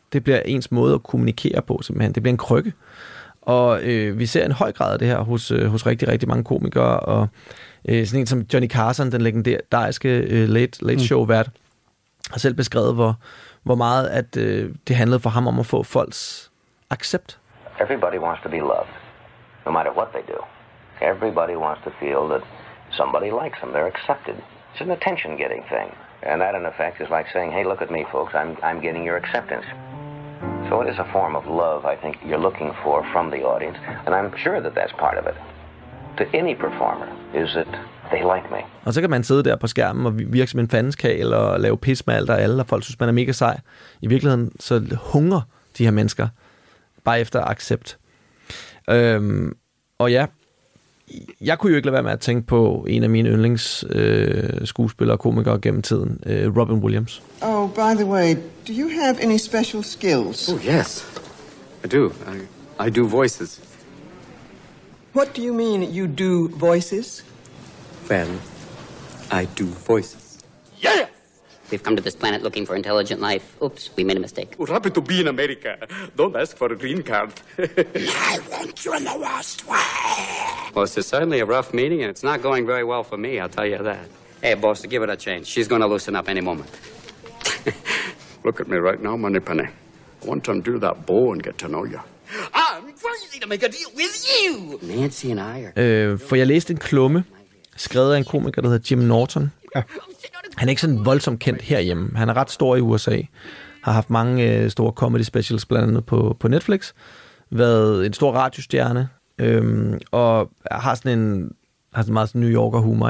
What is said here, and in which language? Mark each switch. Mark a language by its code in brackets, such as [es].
[da] Det bliver ens måde at kommunikere på, simpelthen. Det bliver en krykke. Og vi ser en høj grad af det her hos rigtig, rigtig mange komikere, og sådan en som Johnny Carson, den legendariske late show vært, har selv beskrevet, hvor meget at det handlede for ham om at få folks accept. [en] Everybody wants to be loved, no matter what they do. Everybody wants to feel that somebody likes them, they're accepted. It's an attention-getting thing. And that, in effect, is like saying, hey, look at me, folks, I'm getting your acceptance. So it is a form of love, I think, you're looking for from the audience, and I'm sure that that's part of it. To any performer, is that they like me. [da] Og så kan man sidde der på skærmen og virke som en fanskal og lave pis med alt og alle, og folk synes, man er mega sej. I virkeligheden, så hunger de her mennesker bare efter accept. Og ja, jeg kunne jo ikke lade være med at tænke på en af mine yndlings skuespillere og komikere gennem tiden, Robin Williams. [en] Oh, by the way, do you have any special skills? Oh, yes. I do. I do voices. What do you mean, you do voices? Well, I do voices. Yes! We've come to this planet looking for intelligent life. Oops, we made a mistake. We're happy to be in America. Don't ask for a green card. I want you in the worst way. Well, this is certainly a rough meeting, and it's not going very well for me, I'll tell you that. Hey, boss, give it a chance. She's going to loosen up any moment. Look at me right now, Moneypenny. I want to undo that bow and get to know you. I'm crazy to make a deal with you! Nancy and I are... [da] For jeg læste en klumme, skrevet af en komiker, der hedder Jim Norton. Ja. Han er ikke sådan voldsomt kendt herhjemme. Han er ret stor i USA. Har haft mange store comedy specials, blandt andet på Netflix. Været en stor radiostjerne. Og har sådan en meget sådan New Yorker humor.